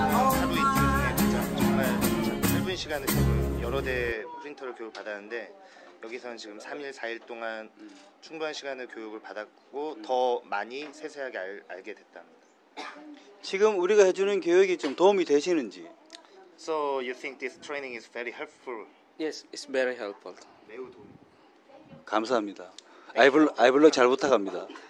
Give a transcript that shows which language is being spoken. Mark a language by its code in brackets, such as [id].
[ko] 하루 이틀 중에 정말 짧은 시간에 여러 대 프린터를 교육 받았는데 여기서는 지금 3일, 4일 동안 충분한 시간의 교육을 받았고 더 많이 세세하게 알게 됐답니다. 지금 우리가 해주는 교육이 좀 도움이 되시는지? [en] So you think this training is very helpful? Yes, it's very helpful. [ko] 감사합니다. 아이블로 잘 부탁합니다.